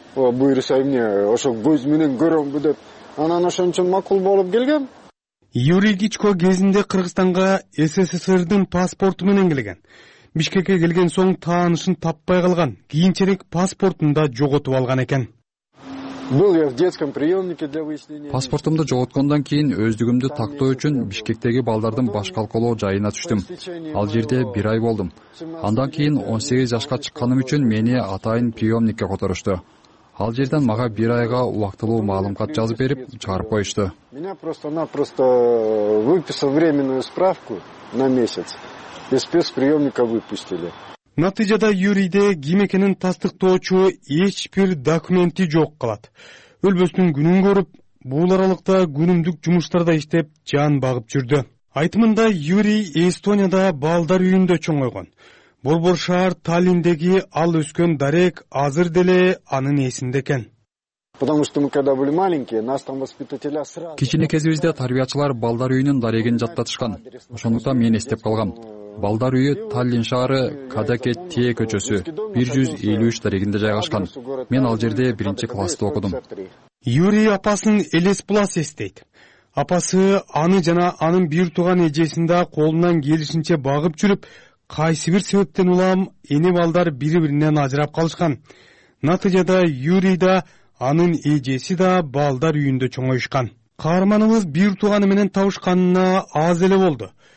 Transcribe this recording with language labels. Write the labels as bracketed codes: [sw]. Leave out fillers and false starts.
[ky] Буюрса эмне ошо көз менен көрөмбү деп анан ошон үчүн макул болуп келгем. Юрий Гичко кезинде Кыргызстанга СССРдин паспорту менен келген. Бишкекке келген соң таанышын таппай калган, кийинчерек паспортун да жоготуп алган экен. [ru] Был я в детском приемнике для выяснения. [ky] Паспортумду жоготкондон кийин өздүгүмдү тактоо үчүн Бишкектеги балдардын баш колкоолоо жайына түштүм. Ал жерде бир ай болдум. Андан кийин 18 жашка чыкканым үчүн мени атайын приемникке которушту. Ал жерден мага бир айга убактылуу маалымат жазып берип, чыгарып коюшту. [ru] Меня просто-напросто выписал временную справку на месяц. И спецприемника выпустили. [ky] Натыйжада Юрийде ким экенин тастыктоочу эч бир документи жок калат. Өлбөстүн күнүн көрүп, бул аралыкта күнүмдүк жумуштарда иштеп, жан багып жүрдү. Айтымында Юрий Эстонияда балдар үйүндө чоңойгон. Борбор шаар Таллиндеги ал өскөн дарек азыр деле анын эсинде экен. [ru] Потому что мы когда были маленькие, нас там воспитателя сразу. [ky] Кичине кезибизде тарбиячылар балдар үйүнүн дарегин жаттатышкан. Ошондуктан мен эстеп калгам. Балдар үйү Таллин шаары Кадаке Тие көчөсү 153 дарегинде жайгашкан. Мен ал жерде биринчи классты окудум. Юрий апасын Элес Плас эстейт. Апасы аны жана анын бир тууган эжесин да колунан келишинче багып жүрүп, кайсы бир себептен улам эне балдар бири-биринен ажырап калышкан. Натыйжада Юрий да анын эжеси да балдар үйүндө чоңойушкан. Каарманыбыз бир тууганы менен табышканына аз эле болду.